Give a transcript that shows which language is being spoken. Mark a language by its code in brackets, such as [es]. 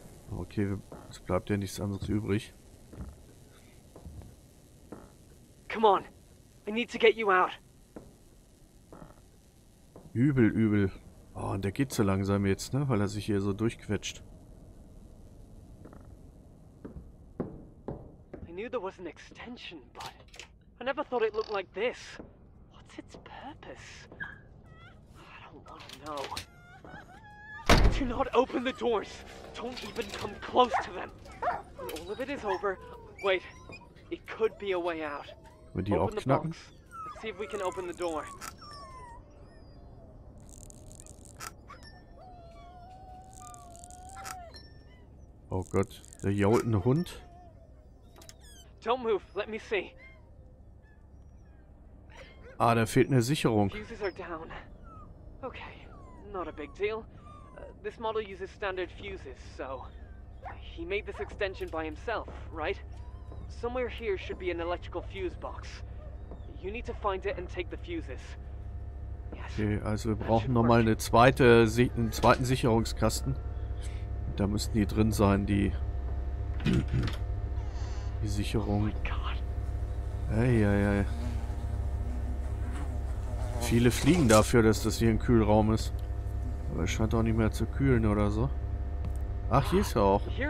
[de] Okay, es bleibt ja nichts anderes übrig. [en] Come on. I need to get you out. [de] Übel, übel. Oh, und der geht so langsam jetzt, ne? Weil er sich hier so durchquetscht. [en] I knew there was an extension, but I never thought it looked like this. What's its purpose? I don't want to know. Do not open the doors. Don't even come close to them. When all of it is over. Wait, it could be a way out. Would you open the box? Let's see if we can open the door. [de] Oh Gott, der jault ein Hund. [en] Don't move, let me see. [de] Ah, da fehlt eine Sicherung. [en] Fuses are down. Okay, not a big deal. This model uses standard fuses, so... He made this extension by himself, right? Somewhere here should be an electrical fuse box. You need to find it and take the fuses. Yeah, [de] Okay, also wir brauchen nochmal einen zweiten Sicherungskasten. Da müssten die drin sein, die Sicherung. Eieiei. Viele fliegen dafür, dass das hier ein Kühlraum ist. Aber es scheint auch nicht mehr zu kühlen oder so. Ach, hier ist er auch.